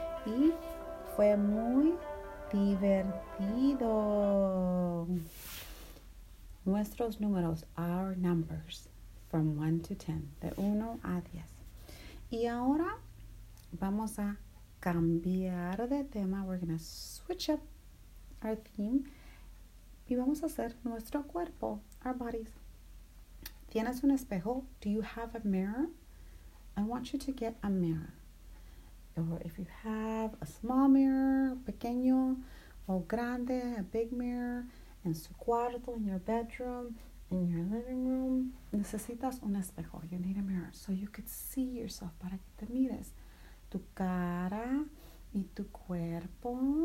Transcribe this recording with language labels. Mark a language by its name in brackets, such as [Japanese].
[Spanish] Y fue muy divertido. Nuestros números, [English] our numbers, from 1 to 10, [Spanish] de 1 a 10. Y ahora vamos a cambiar de tema. [English] We're going to switch up our theme. [Spanish] Y vamos a hacer nuestro cuerpo, [English] our bodies. [Spanish] ¿Tienes un espejo? [English] Do you have a mirror? I want you to get a mirror, or if you have a small mirror, [Spanish] pequeño o grande, [English] a big mirror, [Spanish] en su cuarto, [English] in your bedroom, in your living room, [Spanish] necesitas un espejo, [English] you need a mirror, so you could see yourself, [Spanish] para que te mires, tu cara y tu cuerpo.